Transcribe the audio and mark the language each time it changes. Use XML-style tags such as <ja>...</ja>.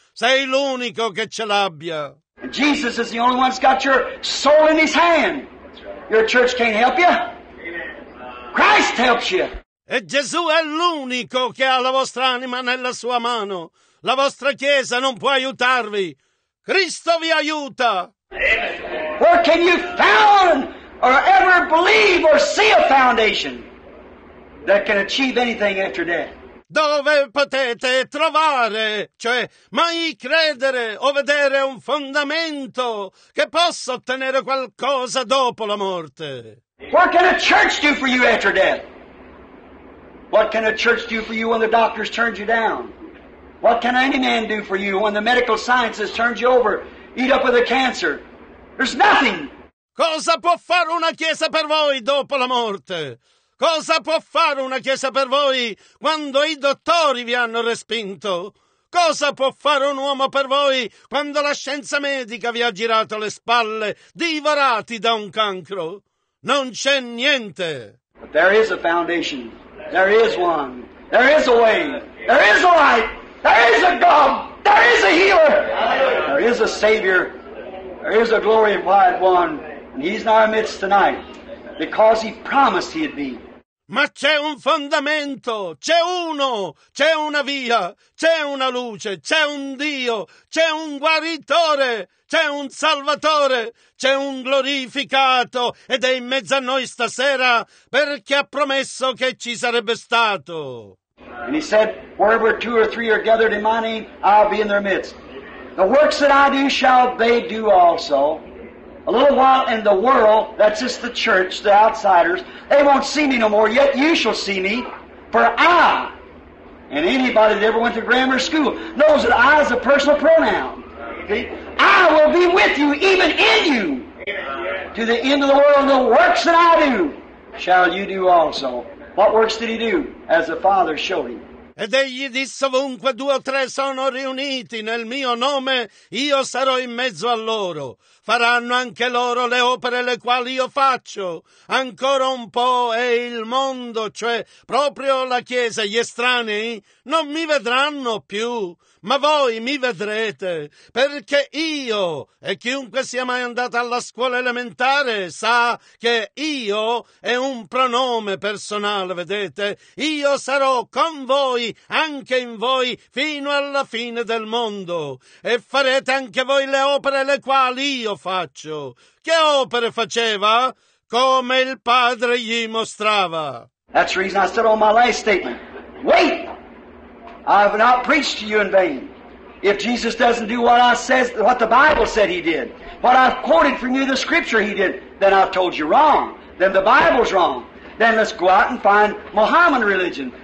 <it>Sei l'unico che ce l'abbia.</it> <en>Jesus is the only one that's got your soul in his hand. Your church can't help you. Christ helps you.</en> <it>E Gesù è l'unico che ha la vostra anima nella sua mano. La vostra chiesa non può aiutarvi. Cristo vi aiuta.</it> <en>Where can you found or ever believe or see a foundation that can achieve anything after death?</en> <it>Dove potete trovare, cioè mai credere o vedere un fondamento che possa ottenere qualcosa dopo la morte?</it> <en>What can a church do for you after death? What can a church do for you when the doctors turn you down? What can any man do for you when the medical science has turned you over, eat up with the cancer? There's nothing.</en> <it>Cosa può fare una chiesa per voi dopo la morte? Cosa può fare una chiesa per voi quando i dottori vi hanno respinto? Cosa può fare un uomo per voi quando la scienza medica vi ha girato le spalle, divorati da un cancro? Non c'è niente.</it> <en>But there is a foundation. There is one. There is a way. There is a light. There is a God. There is a healer. There is a savior. There is a glorified one. And he's in our midst tonight because he promised he'd be.</en> <it>Ma c'è un fondamento, c'è uno, c'è una via, c'è una luce, c'è un Dio, c'è un guaritore, c'è un salvatore, c'è un glorificato ed è in mezzo a noi stasera perché ha promesso che ci sarebbe stato.</it> <en>And he said, wherever two or three are gathered in my name, I'll be in their midst. The works that I do shall they do also. A little while in the world, that's just the church, the outsiders, they won't see me no more, yet you shall see me, for I, and anybody that ever went to grammar school, knows that I is a personal pronoun. Okay? I will be with you, even in you, to the end of the world. The works that I do, shall you do also. What works did he do? As the Father showed him.</en> <it>Ed egli disse, ovunque due o tre sono riuniti nel mio nome, io sarò in mezzo a loro. Faranno anche loro le opere le quali io faccio. Ancora un po' e il mondo, cioè proprio la Chiesa, gli estranei, non mi vedranno più. Ma voi mi vedrete, perché io, e chiunque sia mai andato alla scuola elementare, sa che io è un pronome personale, vedete? Io sarò con voi, anche in voi, fino alla fine del mondo. E farete anche voi le opere le quali io faccio. Che opere faceva? Come il Padre gli mostrava.</it> <en>That's the reason I said on my last statement. Wait! I have not preached to you in vain. If Jesus doesn't do what I says, what the Bible said he did, what I've quoted from you the scripture he did, then I've told you wrong. Then the Bible's wrong. Then let's go out and find Mohammedan religion.</en>